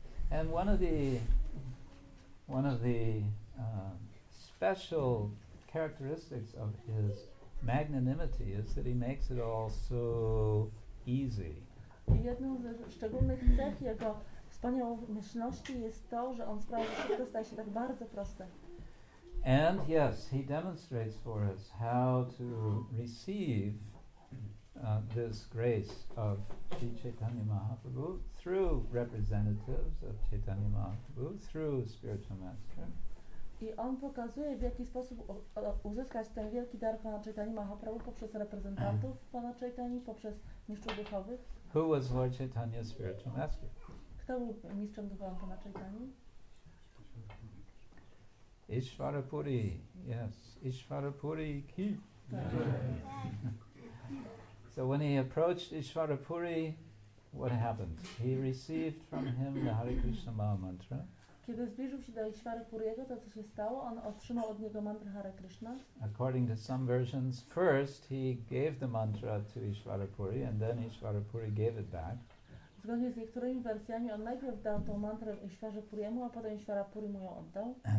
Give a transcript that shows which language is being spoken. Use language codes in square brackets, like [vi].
[en] And one of the special characteristics of his magnanimity is that he makes it all so easy. [pl] Jedną ze szczególnych cech jego wspaniałomyślności jest to, że on sprawia, że wszystko staje się tak bardzo proste. [en] And yes, he demonstrates for us how to receive this grace of Sri Chaitanya Mahaprabhu through representatives of Chaitanya Mahaprabhu, through spiritual master. [pl] I on pokazuje, w jaki sposób uzyskać ten wielki dar Pana Chaitanya Mahaprabhu poprzez reprezentantów Pana Chaitanya, poprzez mistrzów duchowych. [en] Who was Lord Chaitanya's spiritual master? [pl] Kto był mistrzem duchowym Pana Chaitanya? [en] Ishwarapuri, yes. Ishwarapuri ki. So when he approached Ishwarapuri, what happened? He received from him the Hare Krishna Maha Mantra. [pl] Kiedy zbliżył się do Ishwarapuriego, to co się stało? On otrzymał od niego mantrę Hare Krishna. [en] According to some versions, first he gave the mantra to Ishwarapuri and then Ishwarapuri gave it back. [pl] Zgodnie z niektórymi wersjami, on najpierw dał tą mantrę Ishwarapuriemu, a potem Ishwarapuri mu ją oddał.